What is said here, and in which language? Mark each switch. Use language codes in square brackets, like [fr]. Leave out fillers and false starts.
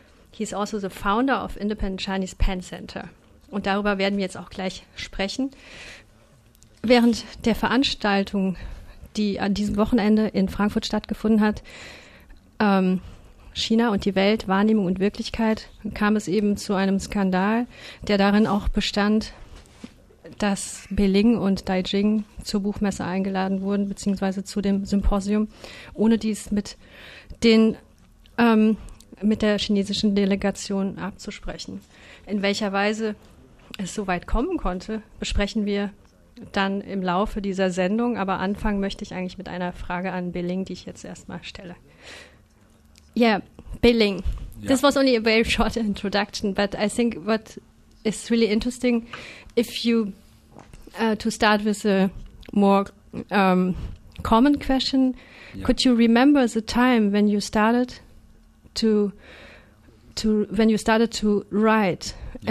[en] He is also the founder of Independent Chinese Pen Center. [de] Und darüber werden wir jetzt auch gleich sprechen. Während der Veranstaltung, die an diesem Wochenende in Frankfurt stattgefunden hat, China und die Welt, Wahrnehmung und Wirklichkeit, kam es eben zu einem Skandal, der darin auch bestand, dass Beling und Dai Jing zur Buchmesse eingeladen wurden, beziehungsweise zu dem Symposium, ohne dies mit der chinesischen Delegation abzusprechen. In welcher Weise es so weit kommen konnte, besprechen wir dann im Laufe dieser Sendung, aber anfangen möchte ich eigentlich mit einer Frage an Beling, die ich jetzt erstmal stelle. [en] Yeah, Beling. Yeah. This was only a very short introduction, but I think what is really interesting, if you to start with a more common question, yeah. Could you remember the time when you started to write, yeah.